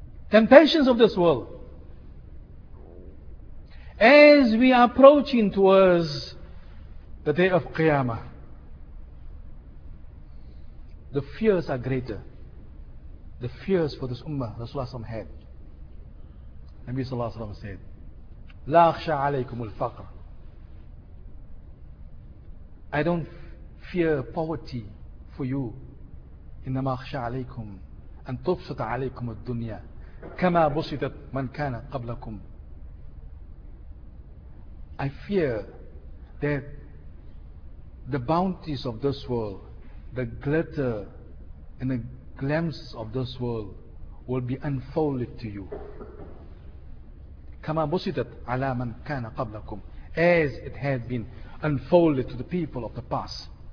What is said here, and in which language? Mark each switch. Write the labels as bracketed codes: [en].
[en] Temptations of this world. As we are approaching towards the day of Qiyamah, the fears are greater. The fears for this Ummah, Rasulullah had. [ar] النبي صلى الله عليه وسلم سيد لا أخشى عليكم الفقر. [en] I don't fear poverty for you. [ar] إنما أخشى عليكم أن تبسط عليكم الدنيا كما بسطت من كان قبلكم. [en] I fear that the bounties of this world, the glitter and the glimpse of this world will be unfolded to you. [ar] كما بسطت على من كان قبلكم, [en] as it had been unfolded to the people of the past.